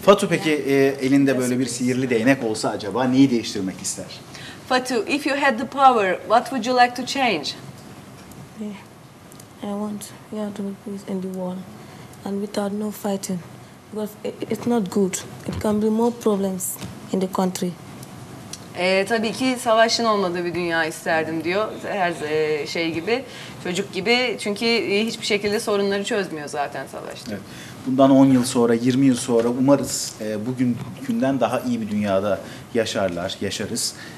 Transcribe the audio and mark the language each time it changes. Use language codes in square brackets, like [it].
[tr] Fatu peki elinde böyle bir sihirli değnek olsa acaba neyi değiştirmek ister? [en] Fatu, if you had the power, what would you like to change? I want to make peace in the world and without no fighting. Because it's not good. It can be more problems in the country. [tr] Tabii ki savaşın olmadığı bir dünya isterdim diyor. Her şey gibi, çocuk gibi. Çünkü hiçbir şekilde sorunları çözmüyor zaten savaş. Evet. Bundan 10 yıl sonra, 20 yıl sonra umarız bugün günden daha iyi bir dünyada yaşarız.